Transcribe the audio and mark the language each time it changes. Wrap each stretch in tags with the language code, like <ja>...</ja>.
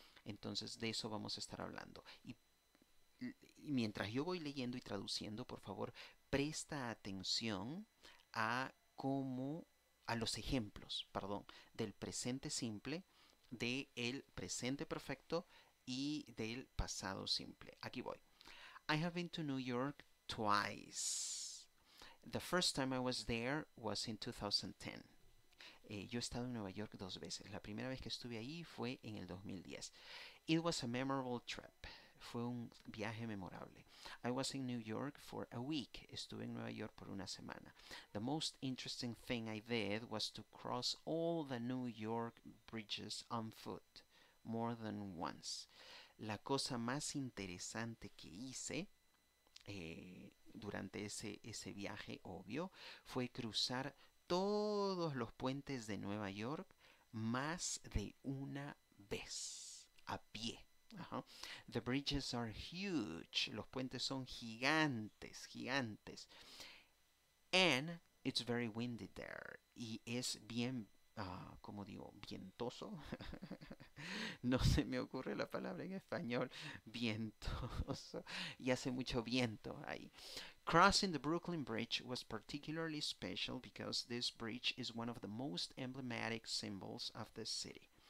<es>Entonces, de eso vamos a estar hablando. Y mientras yo voy leyendo y traduciendo, por favor, presta atención a cómo, a los ejemplos, perdón, del presente simple, del presente perfecto y del pasado simple. Aquí voy.</es> <en>I have been to New York twice. The first time I was there was in 2010.</en> <es>Yo he estado en Nueva York dos veces. La primera vez que estuve ahí fue en el 2010.</es> <en>It was a memorable trip.</en> <es>Fue un viaje memorable.</es> <en>I was in New York for a week.</en> <es>Estuve en Nueva York por una semana.</es> <en>The most interesting thing I did was to cross all the New York bridges on foot more than once.</en> <es>La cosa más interesante que hice durante ese viaje, obvio, fue cruzar todos los puentes de Nueva York más de una vez a pie.</es> <en>The bridges are huge.</en> <es>Los puentes son gigantes, gigantes.</es> <en>And it's very windy there.</en> <es>Y es bien, como digo, vientoso. No se me ocurre la palabra en español. Vientoso. Y hace mucho viento ahí.</es> <en>Crossing the Brooklyn Bridge was particularly special because this bridge is one of the most emblematic symbols of the city.</en>